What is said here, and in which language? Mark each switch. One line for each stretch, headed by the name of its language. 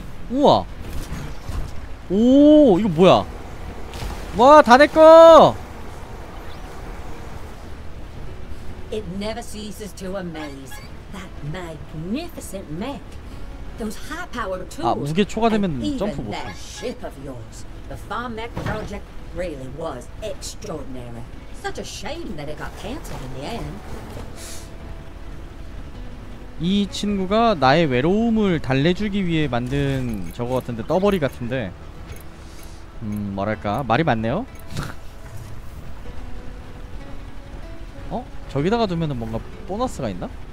Korean: 우와! 오, 이거 뭐야? 와, 다 내 거!
English: It never ceases to amaze. That magnificent mech. Those high-powered tools.
Korean: 아, 무게 초과되면 점프 못해.
English: That ship of yours. The farm mech project really was extraordinary. Such a shame that it got canceled in the end.
Korean: 이 친구가 나의 외로움을 달래주기 위해 만든 저거 같은데, 떠버리 같은데. 뭐랄까, 말이 많네요. 어? 저기다가 두면은 뭔가 보너스가 있나?